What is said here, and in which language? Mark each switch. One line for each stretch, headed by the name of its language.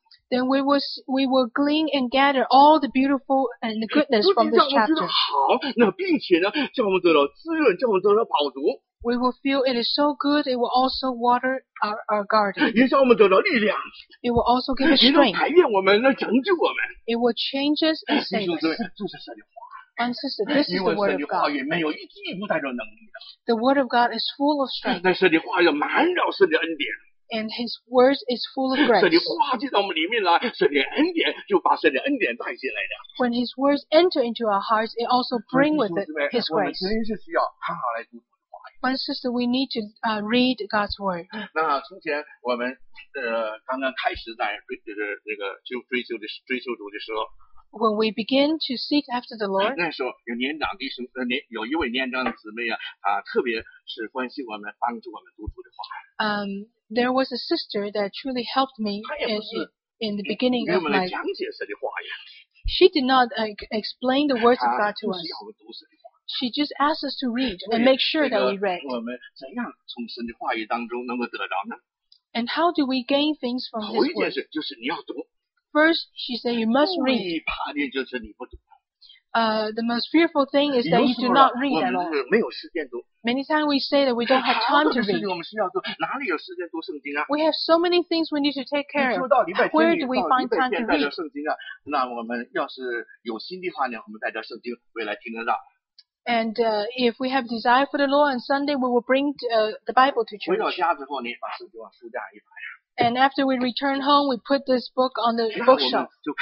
English: Then we will glean and gather all the beautiful and the goodness from this chapter.
Chinese: 好，那并且呢，叫我们得到滋润，叫我们得到饱足。
English: We will feel it is so good, it will also water our garden.
Chinese: 也叫我们得到力量。
English: It will also give us strength.
Chinese: 也能改变我们，能拯救我们。
English: It will change us and save us.
Chinese: 就是神的话。
English: And sister, this is the word of God.
Chinese: 因为神的话语没有一句不带着能力的。
English: The word of God is full of strength.
Chinese: 但神的话语满了神的恩典。
English: And His words is full of grace.
Chinese: 神的话进到我们里面来，神的恩典就把神的恩典带进来了。
English: When His words enter into our hearts, it also bring with it His grace.
Chinese: 我们真是需要好好来读。
English: My sister, we need to read God's word.
Chinese: 那从前我们刚刚开始在追就是那个就追求主的时候。
English: When we begin to seek after the Lord.
Chinese: 那时候有年长弟兄有一位年长的姊妹啊特别是关心我们帮助我们读主的话。
English: There was a sister that truly helped me in the beginning of my.
Chinese: 给我们讲解神的话语。
English: She did not explain the words of God to us. She just asks us to read and make sure that we read.
Chinese: 我们怎样从神的话语当中能够得到呢？
English: And how do we gain things from His word?
Chinese: 头一件事就是你要读。
English: First, she said you must read.
Chinese: 最怕的就是你不读。
English: The most fearful thing is that you do not read at all.
Chinese: 我们没有时间读。
English: Many times we say that we don't have time to read.
Chinese: 我们需要读，哪里有时间读圣经啊？
English: We have so many things we need to take care of. Where do we find time to read?
Chinese: 圣经啊，那我们要是有心的话呢，我们带着圣经回来听得到。
English: And if we have desire for the Lord on Sunday, we will bring the Bible to church. And after we return home, we put this book on the bookshelf.